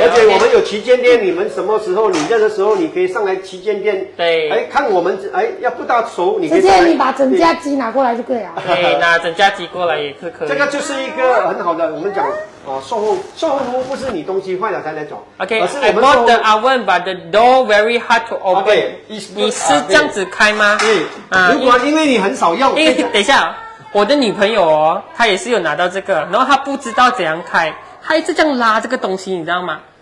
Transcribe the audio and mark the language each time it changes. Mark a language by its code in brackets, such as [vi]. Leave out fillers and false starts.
[zh] 而且我们有旗舰店，你们什么时候你任何时候你可以上来旗舰店。对，哎，看我们哎要不大熟，你可以直接你把整架机拿过来就可以了。对，拿整架机过来也是可以。这个就是一个很好的，我们讲。售后不是你东西坏了才来找。 [en] OK， I bought the oven but the door very hard to open。 Okay, [zh] 你是这样子开吗？对，因为你很少用。等一下，我的女朋友她也是有拿到这个，然后她不知道怎样开，她一直这样拉这个东西，你知道吗？